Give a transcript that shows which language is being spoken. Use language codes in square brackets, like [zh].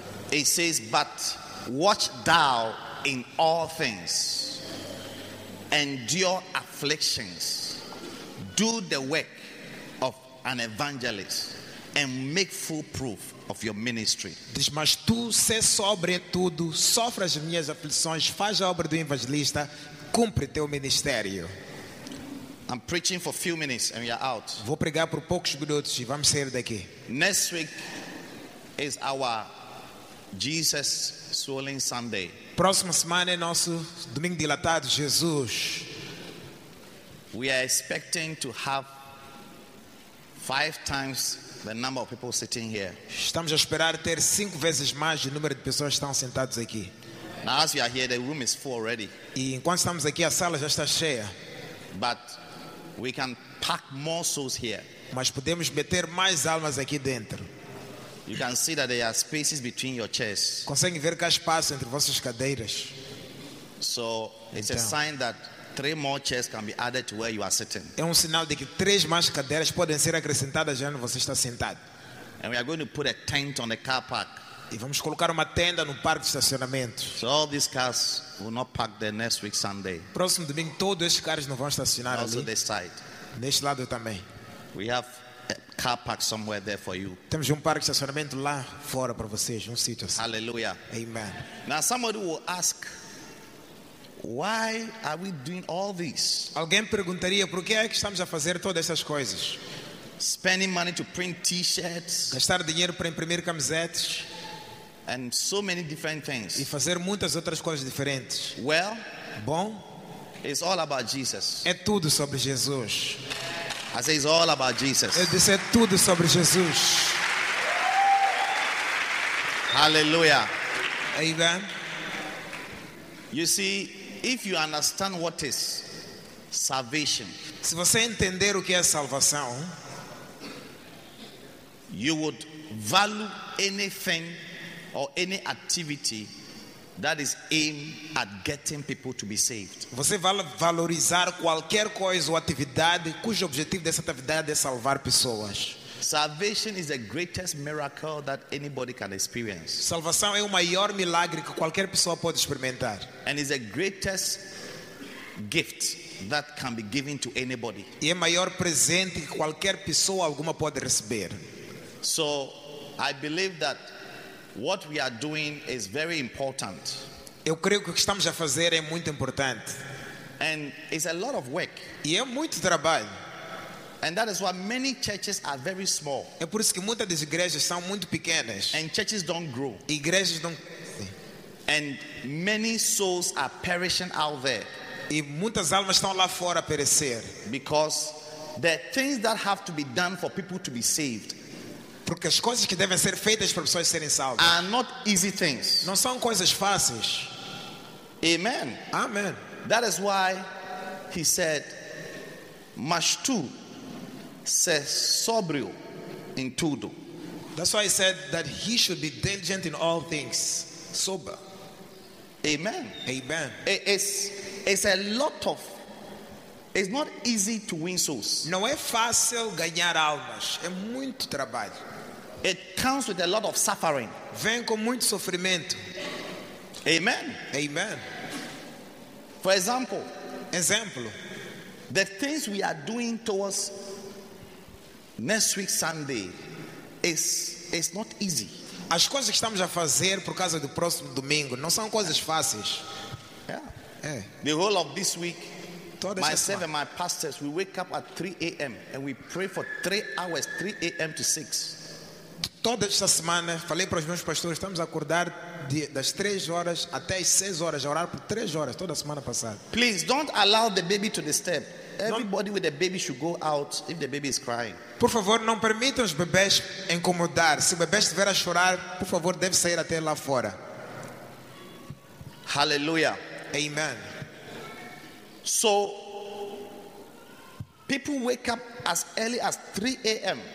[en] It says, but watch thou in all things, endure afflictions, do the work an evangelist and make full proof of your ministry. [pt] Diz, mas tu sê sobretudo, sofre as minhas aflições, faz a obra do evangelista, cumpre teu ministério. [en] I'm preaching for few minutes and we are out. [pt] Vou pregar por poucos minutos e vamos sair daqui. [en] Next week is our Jesus Swollen Sunday. [pt] Próxima semana é nosso domingo dilatado Jesus. [en] We are expecting to have 5 times the number of people sitting here. [pt] Estamos a esperar ter 5 vezes mais o número de pessoas que estão sentadas aqui. [en] Now, as we are here, the room is full already. [pt] E enquanto estamos aqui, a sala já está cheia. [en] But we can pack more souls here. [pt] Mas podemos meter mais almas aqui dentro. [en] You can see that there are spaces between your chairs. [pt] Conseguem ver que há espaço entre vossas cadeiras. [en] So, it's a sign that three more chairs can be added to where you are sitting. [pt] É um sinal de que três mais cadeiras podem ser acrescentadas onde você está sentado. [en] And we are going to put a tent on the car park. [pt] E vamos colocar uma tenda no parque de estacionamento. [en] So all these cars will not park there next week Sunday. [pt] Próximo domingo todos esses carros não vão estacionar [en] also [pt] ali. [en] This side. [pt] Neste lado também. [en] We have a car park somewhere there for you. [pt] Temos parque de estacionamento lá fora para vocês, sítio assim. [en] Hallelujah. Amen. Now somebody will ask, why are we doing all this? [pt] Alguém perguntaria por que é que estamos a fazer todas essas coisas? [en] Spending money to print t-shirts. [pt] Gastar dinheiro para imprimir camisetas. [en] And so many different things. [pt] E fazer muitas outras coisas diferentes. [en] Well, [pt] bom, [en] it's all about Jesus. [pt] É tudo sobre Jesus. [en] I say it's all about Jesus. [pt] Eu disse, é tudo sobre Jesus. [en] Hallelujah. Amen. You see, if you understand what is salvation, [pt] se você entender o que é salvação, [en] you would value anything or any activity that is aimed at getting people to be saved. [pt] Você vai valorizar qualquer coisa ou atividade cujo objetivo dessa atividade é salvar pessoas. [en] Salvation is the greatest miracle that anybody can experience. [pt] Salvação é o maior milagre que qualquer pessoa pode experimentar. [en] And is the greatest gift that can be given to anybody. [pt] E é o maior presente que qualquer pessoa alguma pode receber. [en] So, I believe that what we are doing is very important. [pt] Eu creio que o que estamos a fazer é muito importante. [en] And it's a lot of work. [pt] E é muito trabalho. [en] And that is why many churches are very small. [pt] É por isso que muitas das igrejas são muito pequenas. [en] And churches don't grow. [pt] Igrejas não. [en] And many souls are perishing out there. [pt] E muitas almas estão lá fora a perecer. [en] Because the things that have to be done for people to be saved. [pt] Porque as coisas que devem ser feitas para pessoas serem salvas [en] are not easy things. [pt] Não são coisas fáceis. [en] Amen. Amen. That is why he said, [pt] "Mas tu se sóbrio em tudo." [en] That's why he said that he should be diligent in all things, sober. Amen. Amen. It's a lot of. It's not easy to win souls. [pt] Não é fácil ganhar almas. É muito trabalho. [en] It comes with a lot of suffering. [pt] Vem com muito sofrimento. [en] Amen. Amen. For example, [pt] exemplo, [en] the things we are doing towards next week Sunday is not easy. [pt] As coisas que estamos a fazer por causa do próximo domingo não são coisas fáceis. [en] Yeah. [pt] É. [en] The whole of this week, [pt] toda [en] myself and my pastors, we wake up at 3 a.m. and we pray for 3 hours, 3 a.m. to 6. [pt] Toda esta semana, falei para os meus pastores, estamos a acordar das 3 horas até as 6 horas, a orar por 3 horas toda a semana passada. [en] Please don't allow the baby to disturb. Everybody with a baby should go out if the baby is crying. [pt] Por favor, não permitam os bebês incomodar. Se o bebê estiver a chorar, por favor, deve sair até lá fora. [en] Hallelujah. Amen. So people wake up as early as 3 a.m.